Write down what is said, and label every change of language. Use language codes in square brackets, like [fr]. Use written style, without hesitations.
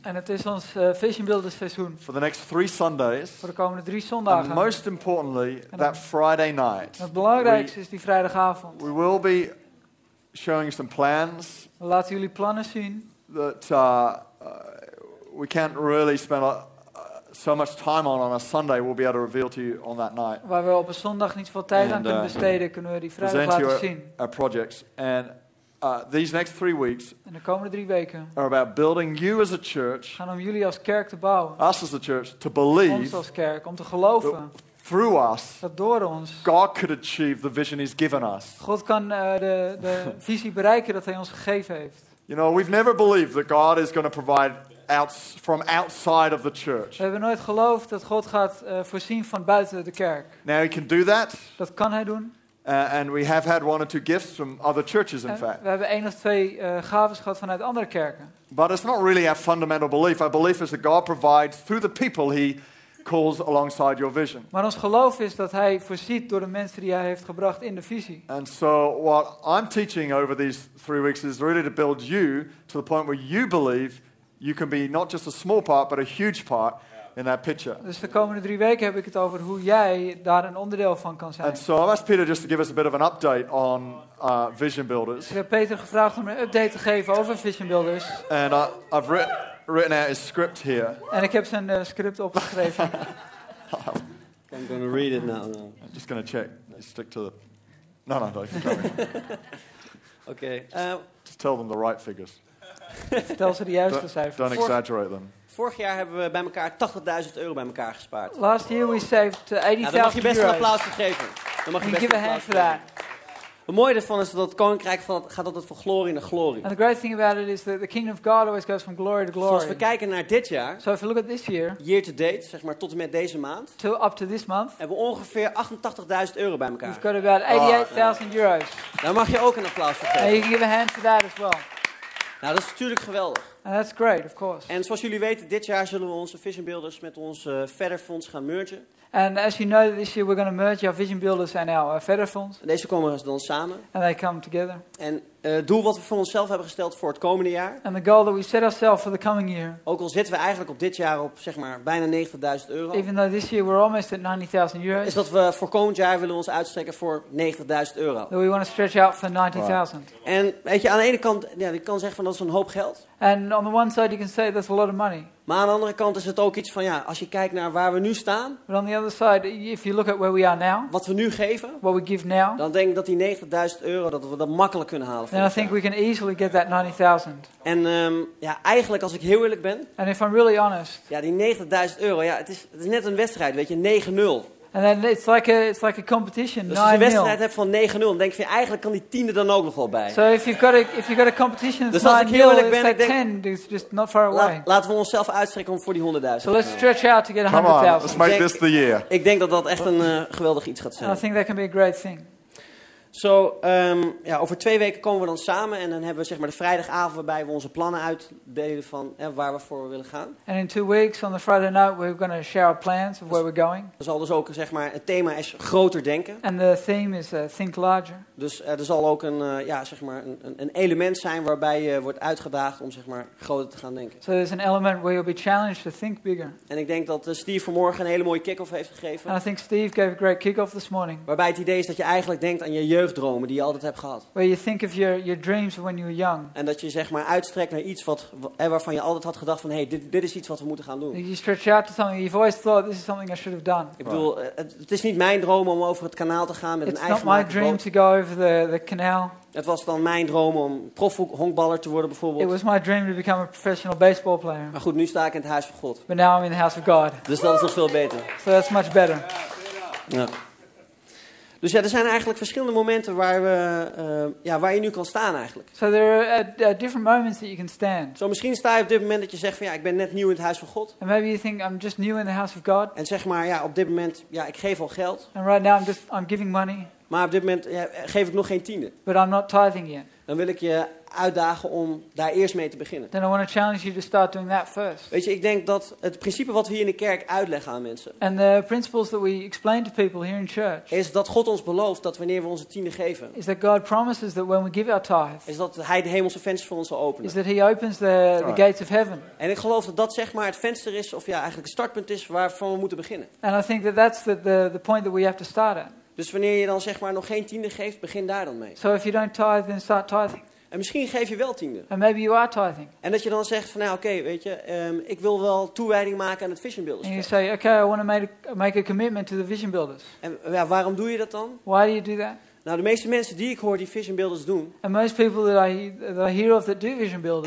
[nl] En het is ons Vision Builders seizoen. [en] For the next three Sundays. [nl] Voor de komende drie zondagen. [en] And most importantly, that Friday night. [nl] Het belangrijkste is die vrijdagavond. [en] We will be showing some plans. [nl] We laten jullie plannen zien. [en] That we can't really spend so much time on a Sunday. We'll be able to reveal to you on that night. [nl] Waar we op een zondag niet veel tijd aan kunnen besteden, kunnen we die vrijdag laten zien. [en] Present our projects and. These next 3 weeks [nl] in de komende drie weken [en] are about building you as a church, [nl] gaan om jullie als kerk te bouwen. [en] Us as a church to believe, [nl] ons als kerk om te geloven. [en] Through us, [nl] dat door ons [en] God could achieve the vision he's given us. [nl] God kan de visie bereiken dat hij ons gegeven heeft. [en] You know, we've never believed that God is going to provide from outside of the church. [nl] We hebben nooit geloofd dat God gaat voorzien van buiten de kerk. [en] Now he can do that. [nl] Dat kan hij doen. [en] And we have had one or two gifts from other churches, in fact. [nl] We hebben één of twee gaven gehad vanuit andere kerken. [en] But it's not really our fundamental belief. Our belief is that God provides through the people he calls alongside your vision. [nl] Maar ons geloof is dat hij voorziet door de mensen die hij heeft gebracht in de visie. [en] And so what I'm teaching over these 3 weeks is really to build you to the point where you believe you can be not just a small part, but a huge part. In that picture. [nl] Dus de komende drie weken heb ik het over hoe jij daar een onderdeel van kan zijn. [en] And so I've asked Peter just to give us a bit of an update on Vision Builders. [nl] Ik heb Peter gevraagd om een update te geven over Vision Builders. [en] And I've written out his script here. [nl] En ik heb zijn script opgeschreven. [en] I'm going to read it now. I'm just going to check. You stick to the. No, don't. Okay. Just tell them the right figures. [nl] Vertel ze de juiste cijfers. [en] Don't exaggerate them. [nl] Vorig jaar hebben we bij elkaar 80.000 euro bij elkaar gespaard. [en] Last year we saved 80.000 [nl] euro. Dan mag je best een applaus geven. Dan mag je best [en] give [nl] een applaus geven. Het mooie ervan is dat het koninkrijk gaat altijd van glorie naar glorie. [en] And the great thing about it is that the kingdom of God always goes from glory to glory. [nl] Zoals we kijken naar dit jaar. [en] So if you look at this year. Year to date, [nl] zeg maar, tot en met deze maand. [en] Till up to this month. [nl] Hebben we ongeveer 88.000 euro bij elkaar. [en] We've got about 88.000 euros. [nl] Dan mag je ook een applaus geven. [en] And you can give a hand for that as well. [nl] Nou, dat is natuurlijk geweldig. [en] And that's great, of course. [nl] En zoals jullie weten, dit jaar zullen we onze Vision Builders met ons Verder Fonds gaan mergen. [en] And as you know, this year we're going to merge our Vision Builders and our Verder Fonds. [nl] Deze komen dan samen. [en] And they come together. [nl] En het doel wat we voor onszelf hebben gesteld voor het komende jaar. [en] And the goal that we set ourselves for the coming year. [nl] Ook al zitten we eigenlijk op dit jaar op zeg maar bijna 90.000 euro. [en] Even though this year we're almost at 90.000 euros. [nl] Is dat we voor komend jaar willen ons uitstrekken voor 90.000 euro. [en] That we want to stretch out for 90.000. Wow. [nl] En weet je, aan de ene kant, ja, je kan zeggen van dat is een hoop geld. [en] And on the one side you can say that's a lot of money. [nl] Maar aan de andere kant is het ook iets van ja, als je kijkt naar waar we nu staan. [en] But on the other side, if you look at where we are now. [nl] Wat we nu geven. [en] What we give now. [nl] Dan denk ik dat die 90.000 euro dat we dat makkelijk kunnen halen. [en] And I think we can easily get that 90.000. [nl] En ja, eigenlijk als ik heel eerlijk ben. [en] And if I'm really honest. [nl] Ja, die 90.000 euro, ja, het is net een wedstrijd, weet je, 9-0. [en] And then it's like a competition. [nl] Dus als je een wedstrijd hebt van 9-0, dan denk je eigenlijk kan die tiende dan ook nog wel bij. [en] So if you've got a competition that's 9-0, it's like 10, it's just not far away. [nl] Laten we onszelf uitstrekken om voor die 100.000. [en] So let's stretch out to get 100.000. Come on, let's make this the year. [nl] Ik denk dat dat echt een geweldig iets gaat zijn. [en] I think that can be a great thing. [nl] Zo, ja, over 2 weken komen we dan samen en dan hebben we zeg maar de vrijdagavond waarbij we onze plannen uitdelen van waar we voor willen gaan. [en] And in 2 weeks on the Friday night we're going to share our plans of where we're going. [nl] Er zal dus ook zeg maar het thema is groter denken. [en] And the theme is think larger. [nl] Dus er zal ook een ja zeg maar een element zijn waarbij je wordt uitgedaagd om zeg maar groter te gaan denken. [en] So there's an element where you'll be challenged to think bigger. [nl] En ik denk dat Steve vanmorgen een hele mooie kick-off heeft gegeven. [en] And I think Steve gave a great kick-off this morning. [nl] Waarbij het idee is dat je eigenlijk denkt aan je jeugd. jeugddromen die je altijd hebt gehad. [en] Where you think of your dreams when you were young. [nl] En dat je zeg maar uitstrekt naar iets wat waarvan je altijd had gedacht van hey, dit is iets wat we moeten gaan doen. [en] You stretch out to something you've always thought this is something I should have done. [nl] Ik bedoel, het is niet mijn droom om over het kanaal te gaan met [en] It's [nl] een eigen boot. [en] It's not my dream to go over the canal. [nl] Het was dan mijn droom om profhonkballer te worden bijvoorbeeld. [en] It was my dream to become a professional baseball player. [nl] Maar goed, nu sta ik in het huis van God. [en] But now I'm in the house of God. [nl] Dus dat is nog veel beter. [en] So that's much better. [nl] Ja. Dus ja, er zijn eigenlijk verschillende momenten waar we waar je nu kan staan eigenlijk. [en] So there are different moments that you can stand. [nl] Zo misschien sta je op dit moment dat je zegt van ja, ik ben net nieuw in het huis van God. [en] And maybe you think I'm just new in the house of God. [nl] En zeg maar ja, op dit moment ja, ik geef al geld. [en] And right now I'm giving money. [nl] Maar op dit moment ja, geef ik nog geen tiende. [en] But I'm not tithing yet. [nl] Dan wil ik je uitdagen om daar eerst mee te beginnen. [en] Then I want to challenge you to start doing that first. [nl] Weet je, ik denk dat het principe wat we hier in de kerk uitleggen aan mensen. [en] And the principles that we explain to people here in church. [nl] Is dat God ons belooft dat wanneer we onze tiende geven. [en] Is that God promises that when we give our tithe. [nl] Is dat Hij de hemelse vensters voor ons zal openen. [en] Is that He opens the gates of heaven. [nl] En ik geloof dat dat zeg maar het venster is, of ja, eigenlijk het startpunt is waarvan we moeten beginnen. [en] And I think that that's the point that we have to start at. [nl] Dus wanneer je dan zeg maar nog geen tiende geeft, begin daar dan mee. [en] So if you don't tithe, then start tithing. [nl] En misschien geef je wel tiende. [en] And maybe you are tithing. [nl] En dat je dan zegt van nou oké, okay, weet je, ik wil wel toewijding maken aan het Vision Builders. [en] And you say okay, I want to make a commitment to the Vision Builders. [nl] En ja, waarom doe je dat dan? [en] Why do you do that? [nl] Nou, de meeste mensen die ik hoor die Vision Builders doen. [en] And most people that I hear of that do Vision Builders.